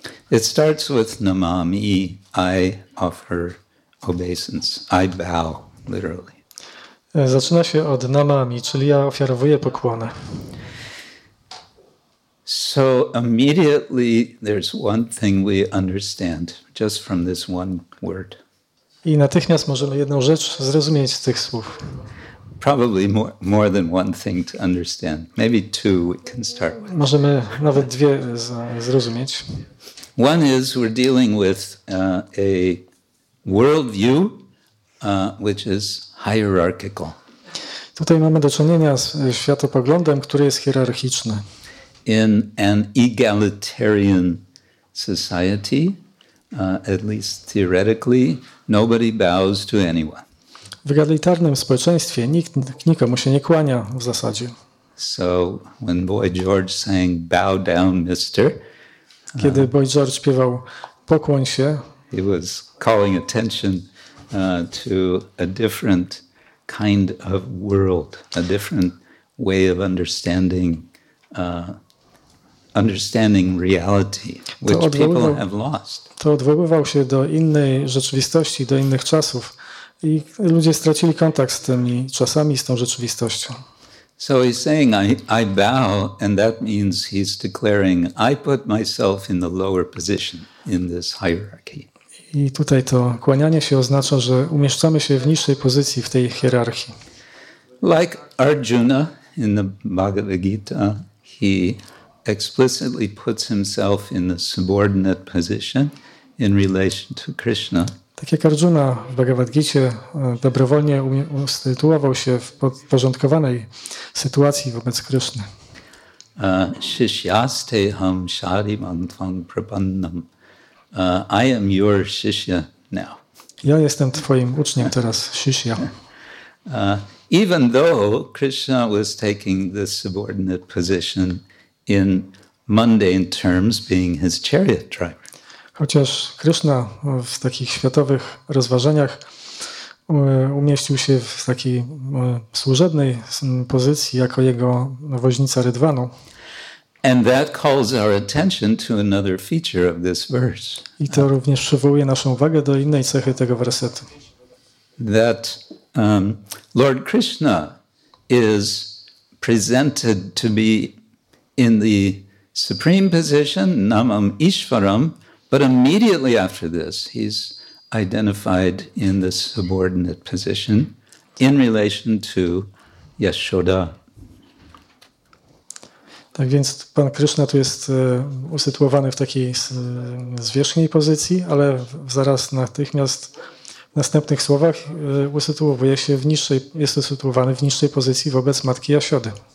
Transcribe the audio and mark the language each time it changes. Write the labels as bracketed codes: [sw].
[en] It starts with Namami, I offer obeisance, I bow, literally. [pl] Zaczyna się od Namami, czyli ja ofiarowuję pokłonę. [en] So immediately there's one thing we understand just from this one word. [pl] I natychmiast możemy jedną rzecz zrozumieć z tych słów. [en] Probably more than one thing to understand. Maybe two we can start with. [pl] Możemy nawet dwie zrozumieć. [en] One is we're dealing with a worldview which is hierarchical. [pl] Tutaj mamy do czynienia z światopoglądem, który jest hierarchiczny. [en] In an egalitarian society, at least theoretically, nobody bows to anyone. [pl] W egalitarnym społeczeństwie nikomu się nie kłania w zasadzie. [en] So when Boy George sang "Bow down, Mister," [pl] kiedy Boy George śpiewał "Pokłoń się," [en] he was calling attention to a different kind of world, a different way of understanding reality, which people have lost. [pl] To odwoływał się do innej rzeczywistości, do innych czasów. I ludzie stracili kontakt z tymi czasami, z tą rzeczywistością. [en] So he's saying, I bow, and that means he's declaring, I put myself in the lower position in this hierarchy. [pl] I tutaj to kłanianie się oznacza, że umieszczamy się w niższej pozycji w tej hierarchii. [en] Like Arjuna in the Bhagavad Gita, he explicitly puts himself in the subordinate position in relation to Krishna. [pl] Tak jak Arjuna w Bhagavad Gita dobrowolnie usytuował się w podporządkowanej sytuacji wobec Kryszny. [sa] Shishyaste ham sharimam tvam prapannam. [en] I am your shishya now. [pl] Ja jestem twoim uczniem teraz, shishya. [en] Even though Krishna was taking this subordinate position in mundane terms, being his chariot driver. [pl] Chociaż Krishna w takich światowych rozważaniach umieścił się w takiej służebnej pozycji jako jego woźnica Rydwanu. [en] And that calls our attention to another feature of this verse. [pl] I to również przywołuje naszą uwagę do innej cechy tego wersetu. [en] That Lord Krishna is presented to be in the supreme position, [sa] namam Ishvaram, [en] but immediately after this, he's identified in the subordinate position in relation to Yashoda. [pl] Tak więc Pan Krishna tu jest usytuowany w takiej zwierzchniej pozycji, ale zaraz natychmiast w następnych słowach usytuowuje się w niższej, jest usytuowany w niższej pozycji wobec matki Jasiody.